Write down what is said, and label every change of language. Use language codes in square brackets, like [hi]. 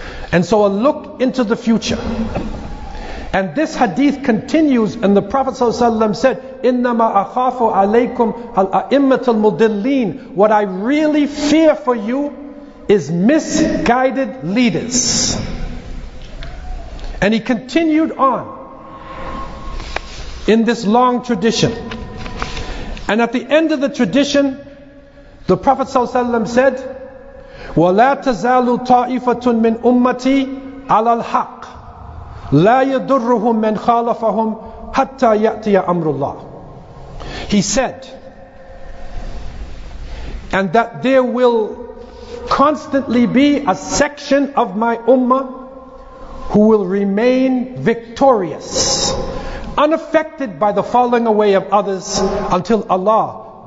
[en] And so a look into the future. And this hadith continues, and the Prophet ﷺ said, [ar] إِنَّمَا أَخَافُ عَلَيْكُمْ الْأَئِمَّةُ الْمُضِلِّينَ. [en] What I really fear for you is misguided leaders. And he continued on in this long tradition. And at the end of the tradition, the Prophet ﷺ said, [ar] وَلَا تَزَالُ طَائِفَةٌ مِّنْ أُمَّتِي عَلَى الْحَقِّ لَا يَدُرُّهُمْ مَنْ خَالَفَهُمْ حَتَّى يَأْتِيَ أَمْرُ اللَّهِ. [en] He said, and that there will constantly be a section of my ummah who will remain victorious, unaffected by the falling away of others, until Allah